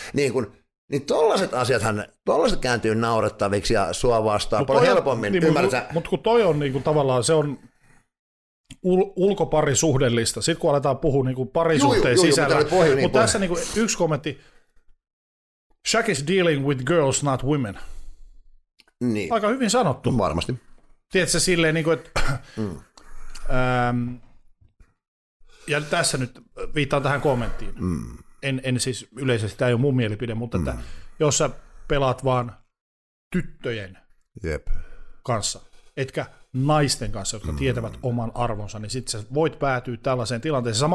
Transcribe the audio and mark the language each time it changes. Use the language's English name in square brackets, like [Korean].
[Finnish] Niin kuin, niin tollaset asiathan, tollaset kääntyy naurettaviksi ja sua vastaan paljon helpommin, niin, ymmärrätkö? Mutta kun toi on niin kuin tavallaan, se on ulkoparisuhdellista. Sitten kun aletaan puhua niin kuin parisuhteen sisällä. Mutta tässä niin kuin yksi kommentti. [English] Shaq is dealing with girls, not women. [Finnish] Niin. Aika hyvin sanottu. Varmasti. Tiedätkö silleen, niin kuin, että ja tässä nyt viittaan tähän kommenttiin. En siis yleisesti, tämä ei ole mun mielipide, mutta että jos sä pelaat vaan tyttöjen kanssa, etkä naisten kanssa, jotka tietävät oman arvonsa, niin sitten voit päätyä tällaiseen tilanteeseen.